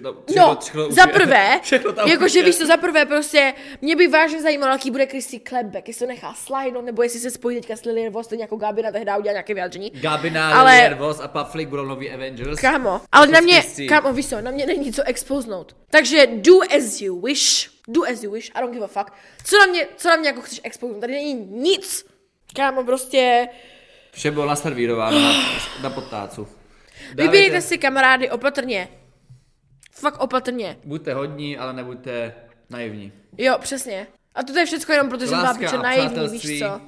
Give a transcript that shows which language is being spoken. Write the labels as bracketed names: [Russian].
[Czech] tam už zaprvé, jakože víš to, zaprvé prostě, mě by vážně zajímalo, jaký bude Kristý clapback, jestli to nechá slide, nebo jestli se spojí teďka s Lillian Voss, nějakou Gabina tehdy udělá nějaké vyjádření. Gabina, ale... Lillian Voss a Pufflick budou nový Avengers. Kámo, ale na mě, kámo, víš to, na mě není co expůznout. Takže [English] do as you wish, I don't give a fuck. [Czech] Co na mě jako chceš expůznout, tady není nic. Kámo, prostě... Vše bylo naservírováno na podtácu. Vybírejte si kamarády opatrně. Fakt opatrně. Buďte hodní, ale nebuďte naivní. Jo, přesně. A to je všechno jenom proto, že byla píče naivní, víš co?